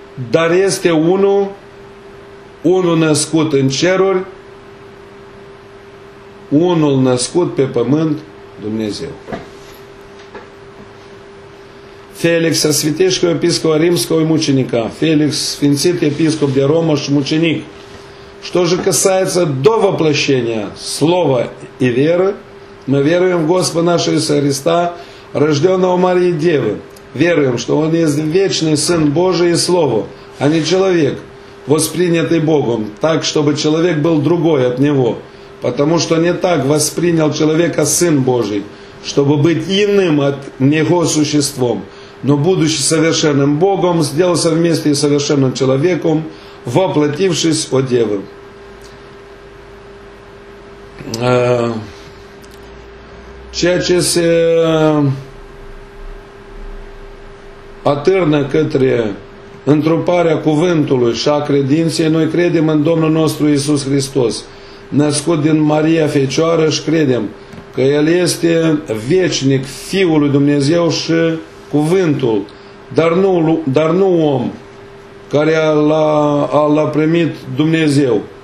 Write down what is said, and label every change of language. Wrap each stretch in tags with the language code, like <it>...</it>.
<ro>Dar este unul născut în ceruri, unul născut pe pământ, Dumnezeu. Felix, sfinteșcul episcop Rimscov, mucenica. Felix, sfințit episcop de Roma și mucenic.</ro> <ru>Що же касается до воплощения слова и веры, мы веруем в Господа нашего Иисуса Христа, рожденного Марии Девы, веруем, что Он есть вечный Сын Божий и Слово, а не человек, воспринятый Богом, так, чтобы человек был другой от Него, потому что не так воспринял человека Сын Божий, чтобы быть иным от Него существом, но, будучи совершенным Богом, сделался вместе с совершенным человеком, воплотившись от Девы.</ru> <ro>Ceea ce se atârnă către întruparea cuvântului și a credinței, noi credem în Domnul nostru Iisus Hristos, născut din Maria Fecioară și credem că El este veșnic, Fiul lui Dumnezeu și cuvântul, dar nu om care l-a primit Dumnezeu.</ro>